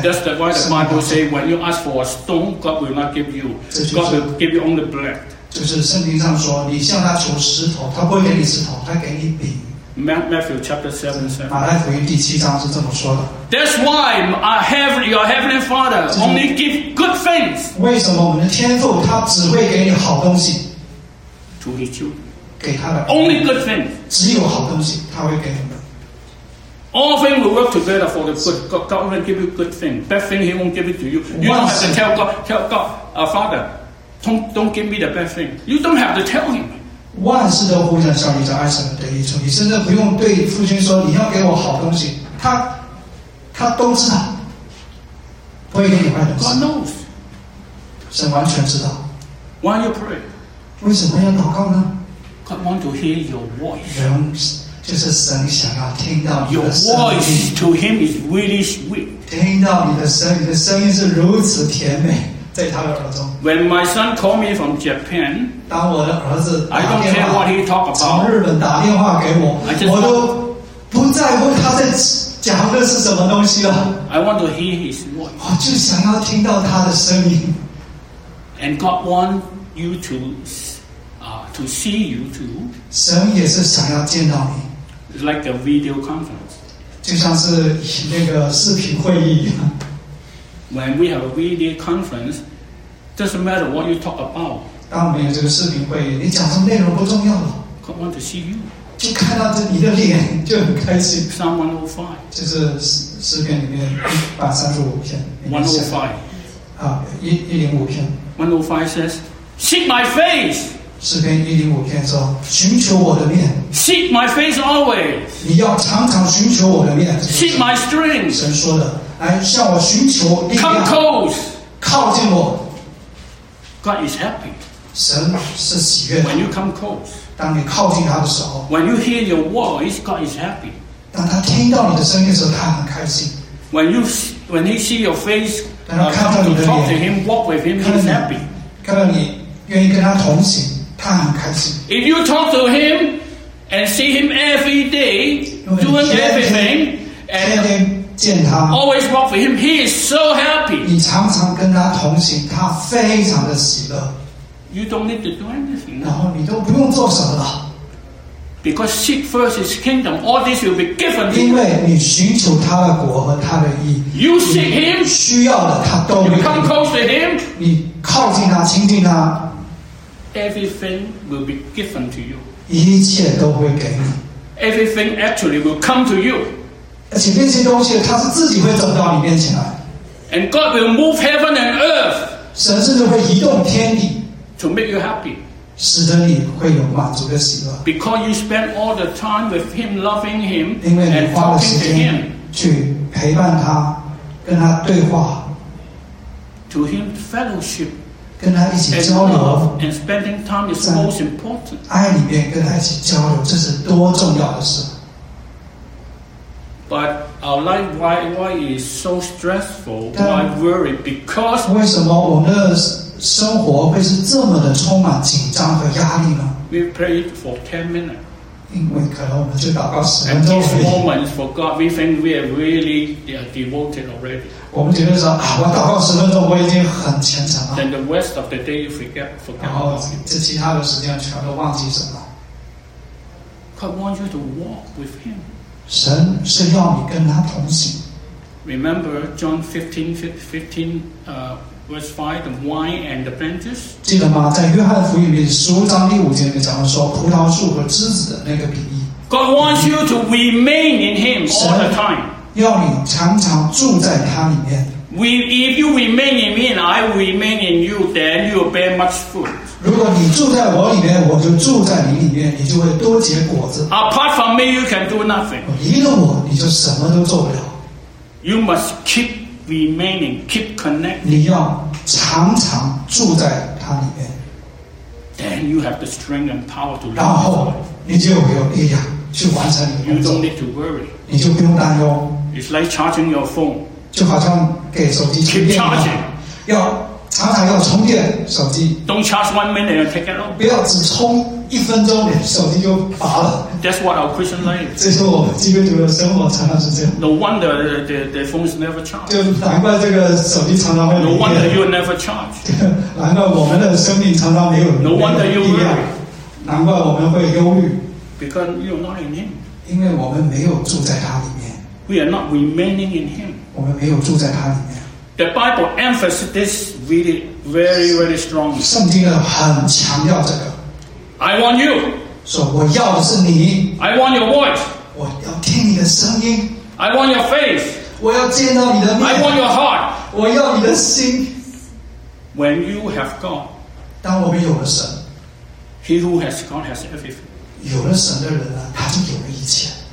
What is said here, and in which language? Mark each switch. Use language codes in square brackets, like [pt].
[en] That's why the Bible says, when you ask for a stone, God will not give you. God will give you only bread. [zh] 就是圣经上说，你向他求石头，他不会给你石头，他给你饼。 [en] Matthew chapter 7:7. [zh] 马太福音第七章是这么说的。 [en] That's why your heavenly Father only give good things. [zh] 为什么我们的天父他只会给你好东西 [en] ？To his children. [zh] 给他的。 [en] Only good things. [zh] 只有好东西，他会给你。 [en] All things will work together for the good. God will give you good thing. Bad thing, He won't give it to you. You don't have to tell God. Tell God, Father, don't give me the bad thing. You don't have to tell Him. [zh] 万事都互相效力，叫爱神得益处。你甚至不用对父亲说你要给我好东西，他都知道，不会给你坏东西。 [en] God knows. [zh] 神完全知道。 [en] Why you pray? [zh] 为什么要祷告呢？ [en] God want to hear your voice. [zh] 就是神想要听到你的声音。 [en] Your voice to him is really sweet. [zh] 听到你的声音，你的声音是如此甜美，在他的耳中。 [en] When my son called me from Japan, [zh] 当我的儿子打电话 [en] I don't care what he talk about, [zh] 从日本打电话给我 [en] I just, [zh] 我都不在乎他在讲的是什么东西了。 [en] I want to hear his voice. [zh] 我就想要听到他的声音。 [en] And God want you to,to see you too. [zh] 神也是想要见到你。 [en] Like a video conference, [zh] 就像是那个视频会议一样。 [en] When we have a video conference, doesn't matter what you talk about. [zh] 当我们有这个视频会议，你讲什么内容不重要了。 [en] God want to see you. [zh] 就看到这你的脸就很开心。 [en] Psalm 105. [zh] 就是诗篇里面135篇。 [en] 105. [zh] 啊，105篇。 [en] 105 says, "Seek my face." [zh] 诗篇一零五篇说：“寻求我的面 [en] ，Seek my face always。” [zh] 你要常常寻求我的面。 [en] Seek my strength。 [zh] 神说的，来向我寻求力量。 [en] Come close， [zh] 靠近我。 [en] God is happy。 [zh] 神是喜悦的。 [en] When you come close， [zh] 当你靠近他的时候。 [en] When you hear your voice， God is happy。 [zh] 当他听到你的声音的时候，他很开心。 [en] When he see your face， [zh] 当他看到你的脸 [en] ，talk to him， walk with him， he's happy。 [zh] 看到你愿意跟他同行。他很开心。 [en] If you talk to him and see him every day, doing everything, and [zh] 天天见他 [en] always walk with him, he is so happy. [zh] 你常常跟他同行，他非常的喜乐。 [en] You don't need to do anything. [zh] 然后你都不用做什么了。 [en] Because seek first his kingdom, all this will be given to you. [zh] 因为你寻求他的国和他的义 [en] ，you seek him, [zh] 需要的他都会。 [en] You come close to him, [zh] 你靠近他，亲近他。 [en] Everything will be given to you. [zh] 一切都会给你。 [en] Everything actually will come to you. [zh] 而且那些东西，它是自己会走到你面前来。 [en] And God will move heaven and earth. [zh] 神甚至会移动天地。 [en] To make you happy. [zh] 使得你会有满足的喜乐。 [en] Because you spend all the time with Him, loving Him, and talking to Him. [zh] 因为你花了时间去陪伴他，跟他对话。 [en] To Him fellowship. [zh] 跟他一起交流 [en] and spending time is most important. [zh] 爱里面跟他一起交流，这是多重要的事。 [en] But our life, why is so stressful? Why worry? Because [zh] 为什么我们的生活会是这么的充满紧张和压力呢？ [en] We prayed for 10 minutes. And those moments for God, we think we are really devoted already. [zh] 我们觉得说啊，我祷告十分钟，我已经很虔诚了。 [en] Then the rest of the day you forget. [zh] 然后这其他的时间全都忘记什么。 [en] God wants you to walk with Him. [zh] 神是要你跟他同行。 [en] Remember John 15:15, verse 5, the wine and the branches. [zh] 记得吗？在约翰福音里十五章第五节里面，咱们说葡萄树和枝子的那个比喻。 [en] God wants you to remain in Him all the time. [zh] 要你常常住在他里面。 [en] If you remain in me, I remain in you, then you will bear much fruit. [zh] 如果你住在我里面，我就住在你里面，你就会多结果子。 [en] Apart from me, you can do nothing. [zh] 离了我，你就什么都做不了。 [en] You must keep remaining, keep connecting. [zh] 你要常常住在他里面。 [en] Then you have the strength and power to. [zh] 然后你就有力量去完成你的工作。 [en] You don't need to worry. [zh] 你就不用担忧。 [en] It's like charging your phone. [zh] 就好像给手机充电一样。 [en] Keep charging. [zh] 要常常要充电手机。 [en] Don't charge 1 minute and take it off. [zh] 不要只充一分钟，你手机就拔了。 [en] That's what our Christian life. [zh] 这是我基督徒的生活，常常是这样。 [en] No wonder the phone is never charged. [zh] 就难怪这个手机常常会没电。 [en] No wonder you never charge. [zh] 难怪我们的生命常常没有力量。 [en] No wonder you worry. [zh] 难怪我们会忧虑。 [en] Because you're not in Him. [zh] 因为我们没有住在他里面。 [en] We are not remaining in Him. [zh] 我们没有住在他里面。 [en] The Bible emphasizes this really, very, very strongly. [zh] 圣经呢很强调这个。 [en] I want you. [zh] 说我要的是你。 [en] I want your voice. [zh] 我要听你的声音。 [en] I want your face. [zh] 我要见到你的面。 [en] I want your heart. [zh] 我要你的心。 [en] When you have God. [zh] 当我们有了神。 [en] He who has God has everything. [zh] 有了神的人呢，他就有了一切。